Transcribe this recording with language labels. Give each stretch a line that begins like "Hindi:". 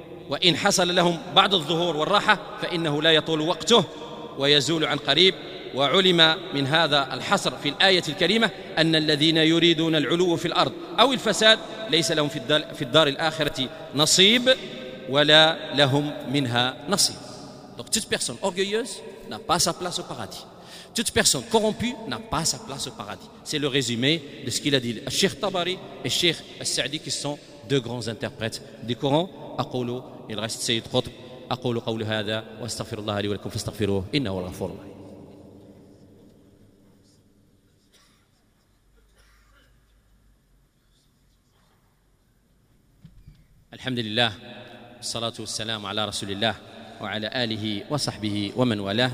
Arabic: وإن حصل لهم بعض الظهور والراحة فإنه لا يطول وقته ويزول عن قريب. وعلم من هذا الحصر في الآية الكريمة أن الذين يريدون العلو في الأرض أو الفساد ليس لهم في الدار الآخرة نصيب ولا لهم منها نصيب.
French: Donc toute personne orgueilleuse n'a pas sa place au paradis. Toute personne corrompue n'a pas sa place au paradis. C'est le résumé de ce qu'il a dit Cheikh Tabari et Cheikh Al-Sa'di, qui sont deux grands interprètes du Coran. Aqulu, il reste Sayyid Qutb.
Arabic: أقول قول هذا وأستغفر الله لي ولكم فاستغفروه إنه الغفور الرحيم. الحمد لله والصلاة والسلام على رسول الله وعلى آله وصحبه ومن والاه.